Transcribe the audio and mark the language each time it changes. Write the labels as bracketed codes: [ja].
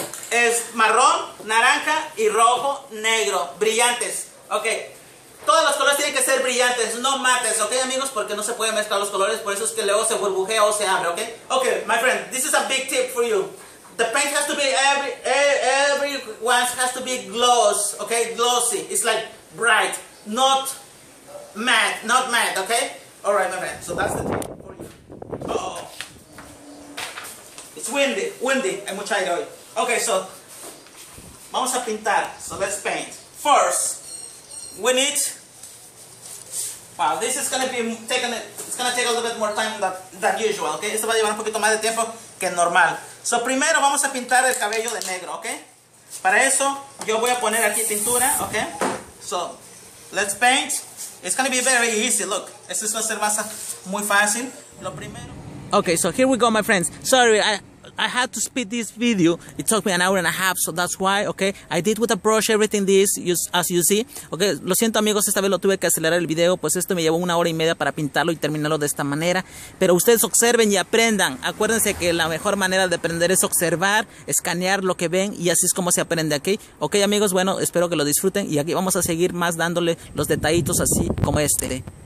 [es] Es marrón, naranja y rojo, negro, brillantes, ok. Todos los colores tienen que ser brillantes, no mates, ok, amigos, porque no se pueden mezclar los colores, por eso es que luego se burbujea o se abre, ok. [en] Ok, my friend, this is a big tip for you. The paint has to be, everyone has to be gloss, ok, glossy, it's like bright, not matte, ok. Alright, my friend, so that's the tip for you. Oh, it's windy, [es] hay mucha aire hoy. [en] Okay, so, [es] vamos a pintar, [en] so let's paint. First, we need, wow, this is gonna be taken, it's gonna take a little bit more time than usual, okay? [es] Esto va a llevar un poquito más de tiempo que normal. So, primero vamos a pintar el cabello de negro, okay? Para eso, yo voy a poner aquí pintura, okay? [en] So, let's paint. It's gonna be very easy. Look, [es] esto va a ser muy fácil. Lo primero. [en] Okay, so here we go, my friends. Sorry, I had to speed this video. It took me an hour and a half, so that's why, okay? I did with a brush everything this, as you see. [es] Okay, lo siento amigos, esta vez lo tuve que acelerar el video, pues esto me llevó una hora y media para pintarlo y terminarlo de esta manera. Pero ustedes observen y aprendan. Acuérdense que la mejor manera de aprender es observar, escanear lo que ven, y así es como se aprende, ¿okay? Okay, amigos, bueno, espero que lo disfruten, y aquí vamos a seguir más dándole los detallitos así como este.